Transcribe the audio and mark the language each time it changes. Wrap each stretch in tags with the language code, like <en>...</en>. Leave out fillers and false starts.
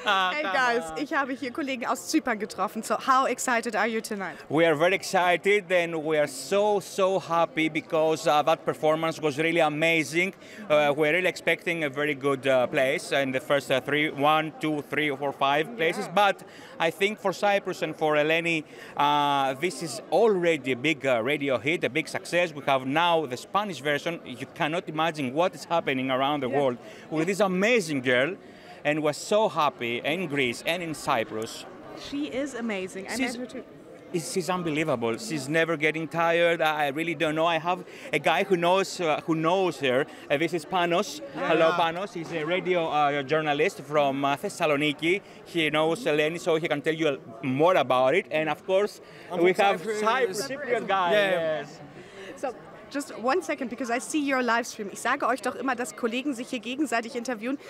<en>Hey guys,</en> <de>ich habe hier Kollegen aus Zypern getroffen.</de> <en>So, how excited are you tonight? We are very excited and we are so, so happy because that performance was really amazing. We're really expecting a very good place in the first three places. Yeah. But I think for Cyprus and for Eleni, this is already a big radio hit, a big success. We have now the Spanish version. You cannot imagine what is happening around the world with this amazing girl. And was so happy in Greece and in Cyprus. She is amazing. She's unbelievable. Yeah. She's never getting tired. I really don't know. I have a guy who knows her. This is Panos. Yeah. Hello, Panos. He's a radio journalist from Thessaloniki. He knows Eleni, so he can tell you more about it. And of course, we have Cyprus. Guys. Yes. So, just one second, because I see your live stream.</en> <de>Ich sage euch doch immer, dass Kollegen sich hier gegenseitig interviewen.</de>